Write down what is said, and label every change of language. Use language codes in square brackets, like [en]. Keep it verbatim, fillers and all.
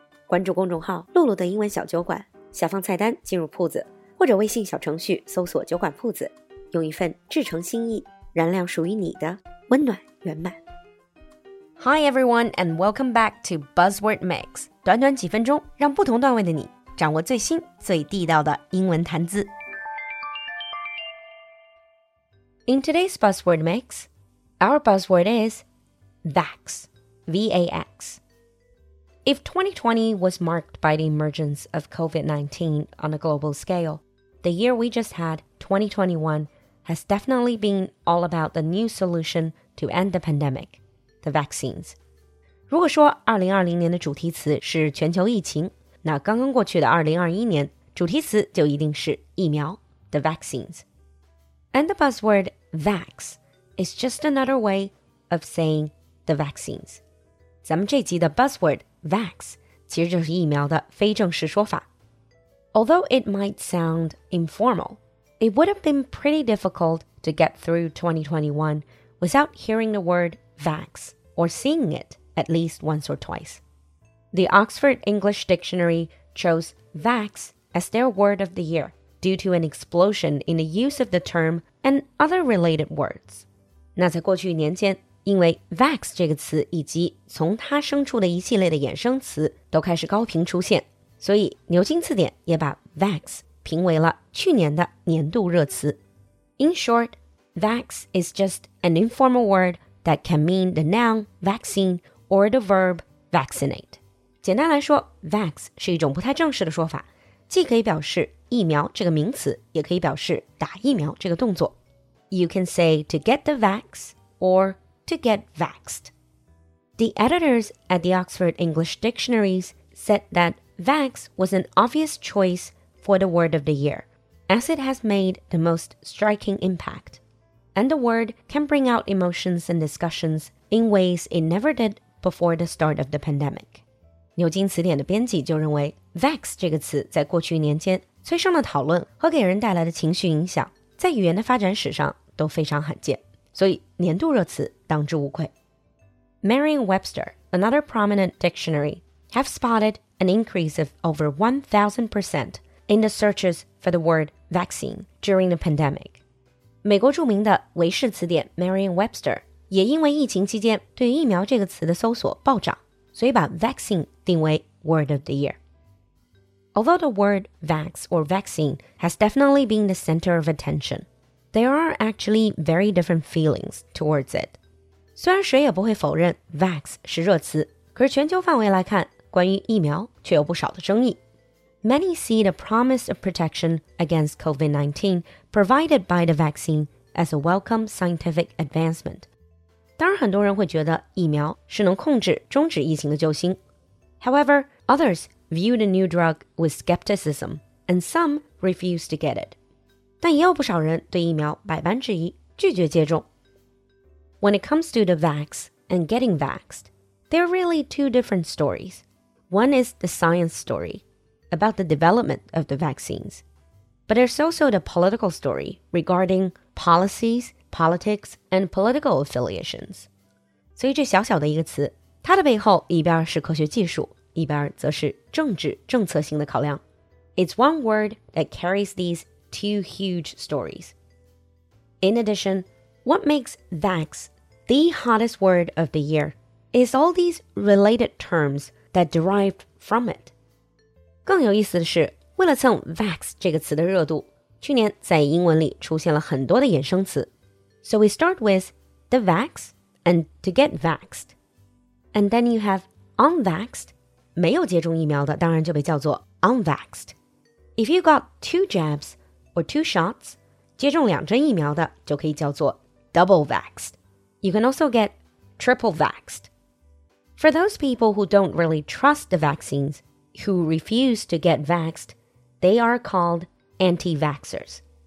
[zh] 关注公众号露露的英文小酒馆，下方菜单进入铺子，或者微信小程序搜索酒馆铺子，用一份至诚心意燃亮属于你的温暖圆满。 [en] Hi everyone and welcome back to Buzzword Mix。 [zh] 短短几分钟，让不同段位的你掌握最新最地道的英文谈资。 [en] In today's Buzzword Mix, our buzzword is Vax, V A X. If twenty twenty was marked by the emergence of covid nineteen on a global scale, the year we just had, twenty twenty-one, has definitely been all about the new solution to end the pandemic, the vaccines. [zh] 如果说二零二零年的主题词是全球疫情，那刚刚过去的二零二一年，主题词就一定是疫苗， [en] the vaccines. And the buzzword vax is just another way of saying the vaccines. [zh] 咱们这集的 buzzword Vax 其实就是疫苗的非正式说法。 [en] Although it might sound informal, it would have been pretty difficult to get through twenty twenty-one without hearing the word vax or seeing it at least once or twice. The Oxford English Dictionary chose vax as their word of the year due to an explosion in the use of the term and other related words. [zh] 那在过去年间，因为 vax 这个词以及从它生出的一系列的衍生词都开始高频出现，所以牛津字典也把 vax 评为了去年的年度热词。 [en] In short, vax is just an informal word that can mean the noun vaccine or the verb vaccinate. [zh] 简单来说， vax 是一种不太正式的说法，既可以表示疫苗这个名词，也可以表示打疫苗这个动作。 [en] You can say to get the vax or to get vaxxed. The editors at the Oxford English Dictionaries said that vax was an obvious choice for the word of the year, as it has made the most striking impact. And the word can bring out emotions and discussions in ways it never did before the start of the pandemic. [zh] 牛津词典的编辑就认为 vax 这个词在过去年间催生了讨论和给人带来的情绪影响，在语言的发展史上都非常罕见，所以年度热词当之无愧。 [en] Merriam-Webster, another prominent dictionary, have spotted an increase of over one thousand percent in the searches for the word vaccine during the pandemic. [zh] 美国著名的韦氏词典 Merriam-Webster 也因为疫情期间对疫苗这个词的搜索暴涨，所以把 vaccine 定为 [en] word of the year. Although the word vax or vaccine has definitely been the center of attention, there are actually very different feelings towards it. [zh] 虽然谁也不会否认 vax 是热词，可是全球范围来看，关于疫苗却有不少的争议。 [en] Many see the promise of protection against covid nineteen provided by the vaccine as a welcome scientific advancement. [zh] 当然很多人会觉得疫苗是能控制终止疫情的救星。 [en] However, others view the new drug with skepticism, and some refuse to get it. [zh] 但也有不少人对疫苗百般质疑，拒绝接种。 [en] When it comes to the vax and getting vaxxed, there are really two different stories. One is the science story, about the development of the vaccines. But there's also the political story regarding policies, politics, and political affiliations. [zh] 所以这小小的一个词，它的背后一边是科学技术，一边则是政治政策性的考量。 [en] It's one word that carries these two huge stories. In addition, what makes vax the hottest word of the year is all these related terms that derived from it. [zh] 更有意思的是，为了蹭 vax 这个词的热度，去年在英文里出现了很多的衍生词。 [en] So we start with the vax and to get vaxxed. And then you have unvaxxed. [zh] 没有接种疫苗的当然就被叫做 unvaxxed. [en] If you got two jabs,or two shots, [zh] 接种两针疫苗的就可以叫做 [en] double vaxxed. You can also get triple vaxxed. For those people who don't really trust the vaccines, who refuse to get vaxxed, they are called anti-vaxxers.